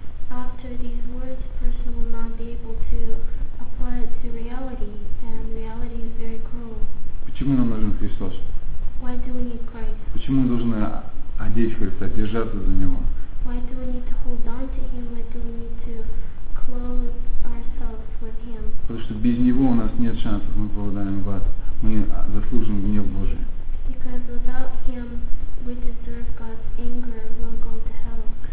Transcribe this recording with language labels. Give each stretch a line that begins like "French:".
English: After these words, a person will not be able to apply it to reality, and reality is very cruel.
Russian: Почему нам нужен Христос?
English: Why do we need Christ?
Russian: Почему мы должны одеть Христа, держаться за Него?
English: Why do we need to hold on to Him? Why do we need to clothe ourselves with Him?
Russian: Потому что без Него у нас нет шансов, мы попадаем в ад. Мы заслужим гнев Божий.
English: Because without Him, we deserve God's anger and we'll go to hell.